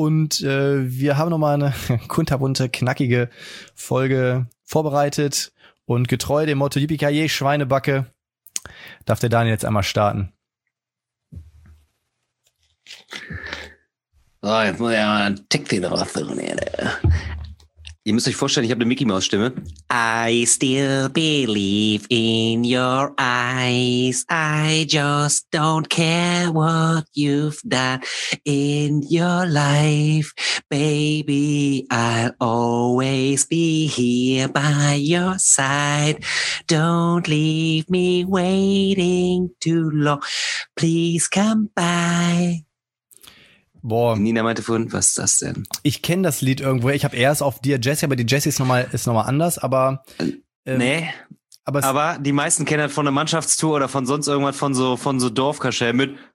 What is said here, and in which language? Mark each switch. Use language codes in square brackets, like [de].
[de] Und wir haben nochmal eine kunterbunte, knackige Folge vorbereitet. Und getreu dem Motto Yippie-Ki-Yay, Schweinebacke, darf der Daniel jetzt einmal starten. So, jetzt muss ich mal einen Tick den raussuchen hier. Ihr müsst euch vorstellen, ich habe eine Mickey-Maus-Stimme. [en] I still believe in your eyes. I just don't care what you've done in your life. Baby, I'll always be here by your side. Don't leave me waiting too long. Please come by. Boah. [de] Nina meinte vorhin, was ist das denn? Ich kenne das Lied irgendwo. Ich habe erst auf Dear Jessie, aber die Jessie ist nochmal anders, aber. Nee. Aber die meisten kennen halt von der Mannschaftstour oder von sonst irgendwas von so Dorfkaschell mit.